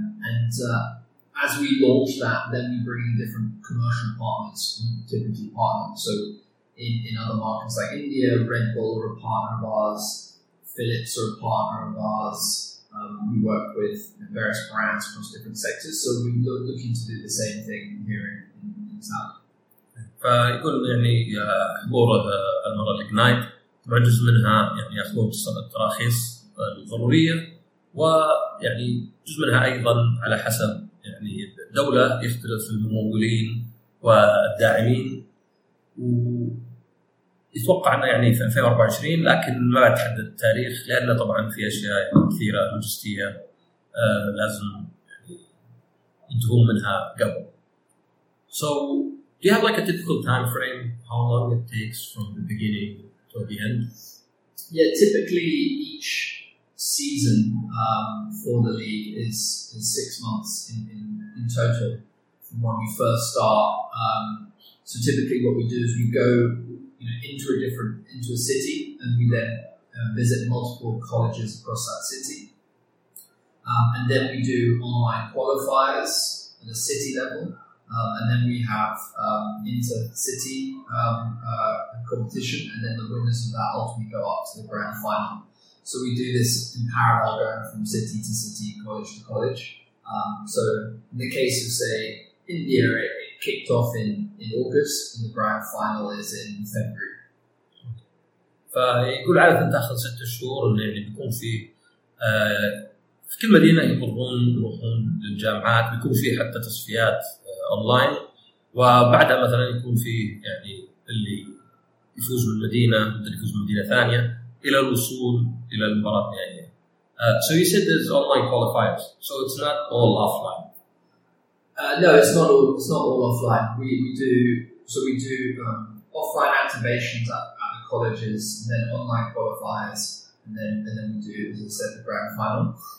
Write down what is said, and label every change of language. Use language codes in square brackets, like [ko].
[en] As we launch that, then we bring in different commercial partners, typically partners. So in other markets like India, Red Bull are a partner of ours, Philips are a partner of ours. We work with various brands across different sectors. So we're looking to do the same thing here in Saudi. [ar] فيقول يعني حضور المرة الإجنايت جزء منها يعني يأخذون التراخيص الضرورية ويعني جزء منها أيضا على حسب يعني الدولة يختلف الممولين والداعمين ويتوقع أنه يعني في 2024 لكن ما تحدد التاريخ لأنه طبعا في أشياء كثيرة لوجستية لازم يدهون منها قبل. [en] So do you have like a typical time frame, how long it takes from the beginning to the end? Yeah, typically each season for the league is 6 months in total from when we first start. So typically what we do is we go into a city and we then visit multiple colleges across that city. And then we do online qualifiers at the city level. And then we have inter-city competition, and then the winners of that ultimately go up to the grand final. So we do this in parallel, going from city to city, college to college. So in the case of, say, India, it kicked off in August, and the grand final is in February. [ar] فيقول عادة تأخذ 6 شهور اللي بيكون في في كل مدينة يروحون للجامعات بيكون في حتى تصفيات. أونلاين وبعدها مثلا يكون في يعني اللي يفوز من مدينة اللي يفوز من مدينة ثانية إلى الوصول إلى المباراة النهائية. [en] So you said there's online qualifiers, so it's not all offline. No, it's not all offline. We do offline activations at the colleges, and then online qualifiers, and then we do, as I said, the grand final.